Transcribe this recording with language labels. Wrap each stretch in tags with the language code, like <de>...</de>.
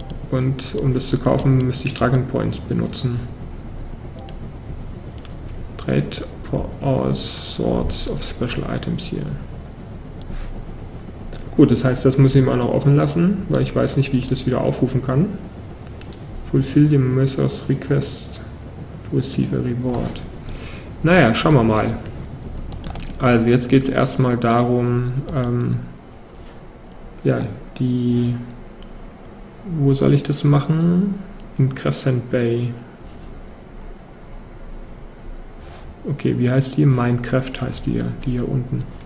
<de>Und um das zu kaufen, müsste ich Dragon Points benutzen.</de> <en>Trade for all sorts of special items here.</en> <de>Gut, das heißt, das muss ich mal noch offen lassen, weil ich weiß nicht, wie ich das wieder aufrufen kann.</de> <en>Fulfill the Messer's Request to receive a reward.</en> <de>Naja, schauen wir mal. Also jetzt geht es erstmal darum, wo soll ich das machen? In Crescent Bay. Okay, wie heißt die? Minecraft heißt die hier unten.</de>